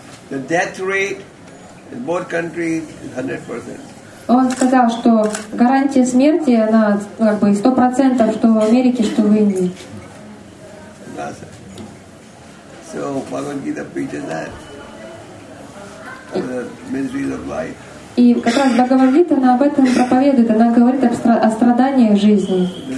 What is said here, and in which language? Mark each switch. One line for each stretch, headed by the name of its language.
English: The death rate in both countries is 100%.
Russian: Он сказал, что гарантия смерти, она как бы 100%, что в Америке, что в Индии.
English: So Bhagavad Gita preaches that. The miseries of life.
Russian: И как раз Бхагавад Гита, она об этом проповедует, она говорит о страданиях жизни.